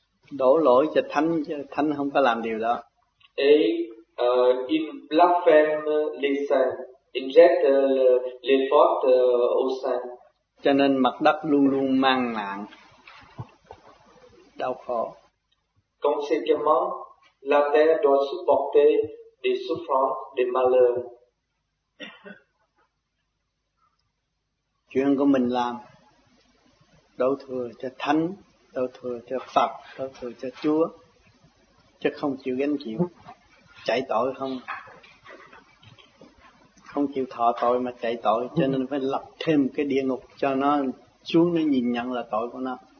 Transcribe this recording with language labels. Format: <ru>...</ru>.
<vi>Đổ lỗi cho thánh, chứ thánh không có làm điều đó.</vi> <fr>Et ils blasphèment les saints, ils jettent les fautes aux saints.</fr> <vi>Cho nên mặt đất luôn luôn mang nạn. Đau khổ.</vi> <fr>Conséquemment, la terre doit supporter des souffrances, des malheurs.</fr> <vi>Chuyện của mình làm, đổ thừa cho thánh, đổ thừa cho Phật, đổ thừa cho Chúa, chứ không chịu gánh chịu, chạy tội không, không chịu thọ tội mà chạy tội, cho nên phải lập thêm cái địa ngục cho nó xuống để nhìn nhận là tội của nó.</vi>